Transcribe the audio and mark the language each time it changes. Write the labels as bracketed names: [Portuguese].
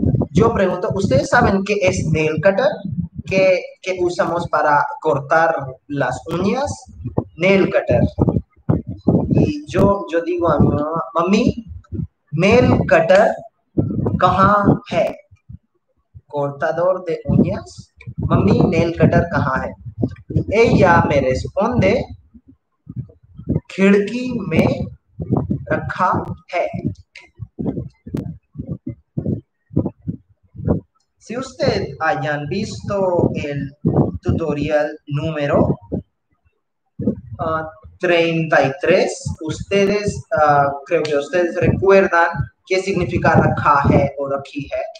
[Spanish] Yo pregunto, ¿ustedes saben qué es nail cutter? ¿Qué usamos para cortar las uñas? Nail cutter. Y yo digo a mi mamá, mami, nail cutter, ¿cómo es? Cortador de uñas. Mami, nail cutter, ¿cómo es? Ella me responde, [Hindi] खिड़की में रखा है. [Spanish] Si usted hayan visto el tutorial número 33, ustedes, creo que ustedes recuerdan qué significa rakhahe o rakhihe.